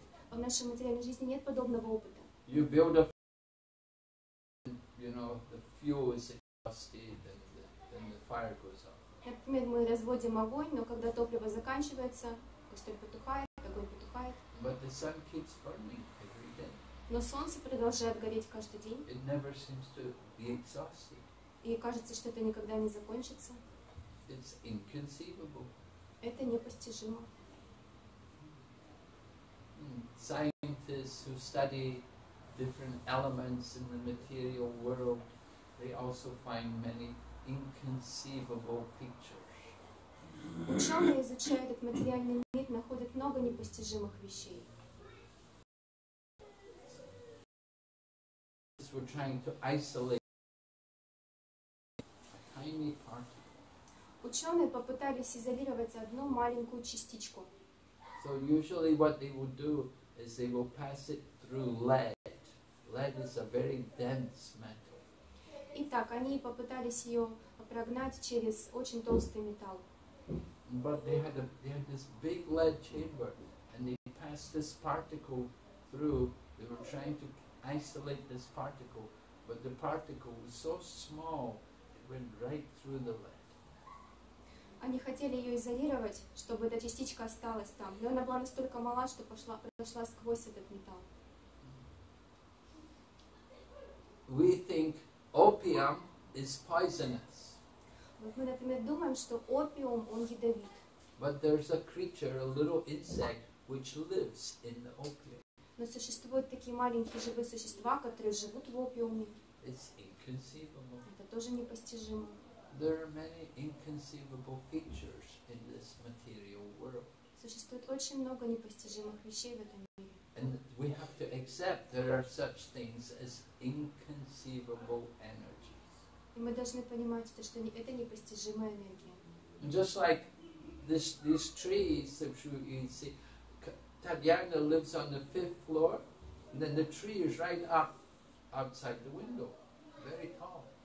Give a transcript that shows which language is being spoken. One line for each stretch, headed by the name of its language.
Russian: В нашей материальной жизни нет подобного опыта.
English: You build a fire, you know, the fuel is exhausted and then the fire goes out.
Russian: Например, мы разводим огонь, но когда топливо заканчивается, костер потухает, огонь потухает.
English: But the sun keeps burning every day.
Russian: Но солнце продолжает гореть каждый день.
English: It never seems to be exhausted.
Russian: И кажется, что это никогда не закончится.
English: It's inconceivable.
Russian: Это непостижимо.
English: Scientists who study different elements in the material world, they also find many inconceivable features.
Russian: Ученые изучают этот материальный мир, находят много непостижимых вещей.
English: We're trying to isolate a tiny particle.
Russian: Ученые попытались изолировать одну маленькую частичку.
English: So usually what they will do is they will pass it through lead. Lead is a very dense metal.
Russian: Итак, они попытались ее прогнать через очень толстый металл.
English: But they had this big lead chamber and they passed this particle through. They were trying to isolate this particle, but the particle was so small it went right through the lead.
Russian: Они хотели ее изолировать, чтобы эта частичка осталась там, но она была настолько мала, что прошла сквозь этот металл.
English: We think opium is poisonous.
Russian: Мы, например, думаем, что опиум, он ядовит.
English: But there's a creature, a little insect, which lives in the opium.
Russian: Но существуют такие маленькие живые существа, которые живут в опиуме.
English: It's inconceivable.
Russian: Это тоже непостижимо.
English: There are many inconceivable features in this material world.
Russian: Существует очень много непостижимых вещей в этом мире.
English: And we have to accept there are such things as inconceivable energy.
Russian: И мы должны понимать, что это непостижимая энергия.
English: Just like these trees that you see, Tatyana lives on the fifth floor, and then the tree is right up outside the window, very tall.